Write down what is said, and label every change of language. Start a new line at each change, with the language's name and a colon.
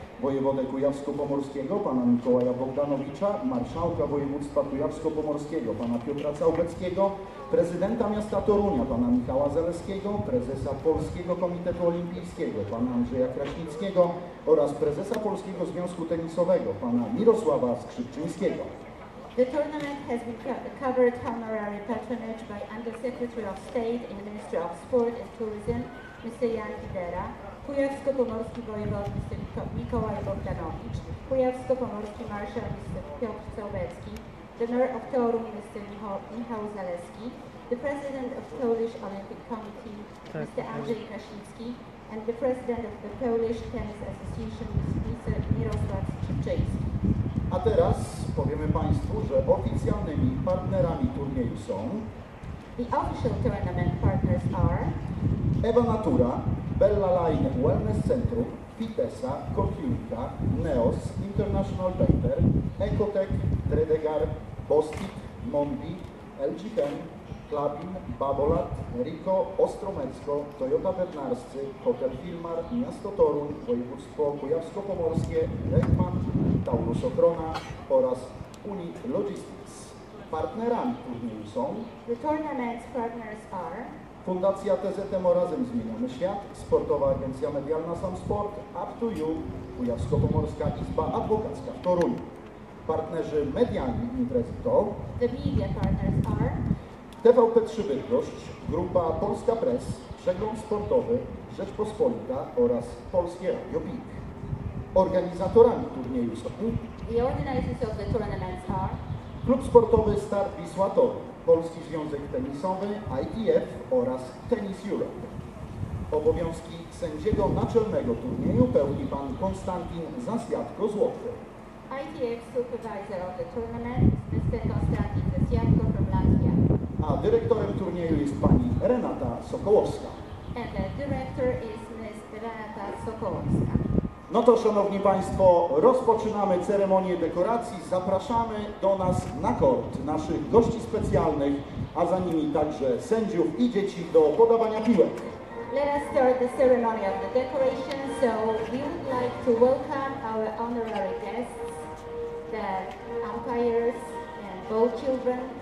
Polish: wojewodę kujawsko-pomorskiego pana Mikołaja Bogdanowicza, marszałka województwa kujawsko-pomorskiego pana Piotra Całbeckiego, prezydenta miasta Torunia pana Michała Zaleskiego, prezesa Polskiego Komitetu Olimpijskiego pana Andrzeja Kraśnickiego oraz prezesa Polskiego Związku Tenisowego pana Mirosława Skrzypczyńskiego.
English: The tournament has been covered honorary patronage by Undersecretary of State in the Ministry of Sport and Tourism, Mr. Jan Kidera, Kujawsko-Pomorski Wojewod, Mr. Mikołaj Bogdanowicz, Kujawsko-Pomorski Marszał, Mr. Piotr Całbecki, the Mayor of Torun, Mr. Michał Zaleski, the President of Polish Olympic Committee, Mr. Andrzej Kraśnicki, and the President of the Polish Tennis Association, Mr. Mirosław Skrzypczyński.
Polish: A teraz powiemy Państwu, że oficjalnymi partnerami turnieju są
English: The official tournament partners are
Polish: Eva Natura, Bella Line Wellness Centrum, Fitesa, Kokiunka, Neos, International Paper, Ecotech, Tredegar, Bostik, Mombi, LGM, Klabin, Babolat, Rico, Ostromecko, Toyota Bernarscy, Hotel Filmar, Miasto Torun, Województwo Kujawsko-Pomorskie, Rekman, Taurus Ochrona oraz Uni Logistics. Partnerami turnieju są
English: The tournament's partners are
Polish: Fundacja TZM-o Razem Zmieniamy Świat, Sportowa Agencja Medialna Sam Sport, Up to You, Kujawsko-Pomorska Izba Adwokacka w Toruniu. Partnerzy medialni imprezy to
English: The media partners are
Polish: TVP 3 Bydgoszcz, Grupa Polska Press, Przegląd Sportowy, Rzeczpospolita oraz Polskie Radio PIK. Organizatorami turnieju są
English: The organizers of the tournaments are
Polish: Klub Sportowy Start Wisła Toruń, Polski Związek Tenisowy, ITF oraz Tennis Europe. Obowiązki sędziego naczelnego turnieju pełni pan Konstantin Zasiadko-Złoty.
English: ITF Supervisor of the Tournament, Mr. Konstantin Zasiadko from Latvia.
Polish: A dyrektorem turnieju jest pani Renata Sokołowska.
English: And the director is Ms. Renata Sokołowska.
Polish: No to szanowni Państwo, rozpoczynamy ceremonię dekoracji. Zapraszamy do nas na kort naszych gości specjalnych, a za nimi także sędziów i dzieci do podawania piłek.
English: Let us start the ceremony of the decoration. So we would like to welcome our honorary guests, the umpires and ball children.